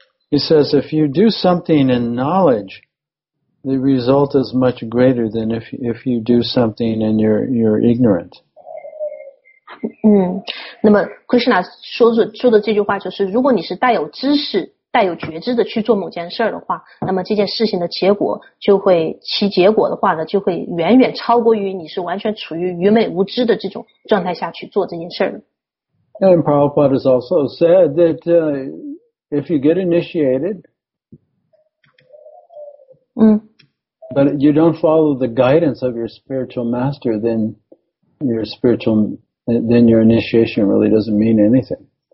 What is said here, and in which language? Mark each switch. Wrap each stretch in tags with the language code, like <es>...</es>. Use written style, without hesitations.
<en>He says, if you do something in knowledge, the result is much greater than if you do something and you're ignorant.</en> <zh>那么 Krishna 说的这句话就是如果你是带有知识带有觉知的去做某件事的话，那么这件事情的结果就会，其结果的话呢，就会远远超过于你是完全处于愚昧无知的这种状态下去做这件事的。</zh> <en>And Prabhupada has also said that if you get initiated, but you don't follow the guidance of your spiritual master, then your initiation really doesn't mean anything.</en>